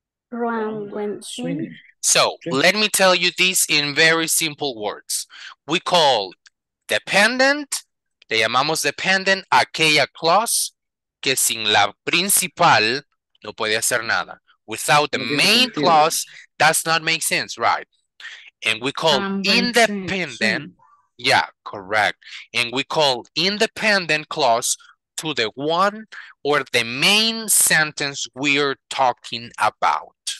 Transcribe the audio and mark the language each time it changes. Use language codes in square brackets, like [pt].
[en] So let me tell you this in very simple words. We call dependent, [es] le llamamos dependent aquella clause que sin la principal no puede hacer nada. [en] Without the main clause, does not make sense, right? And we call independent, yeah, correct. And we call independent clause to the one or the main sentence we're talking about.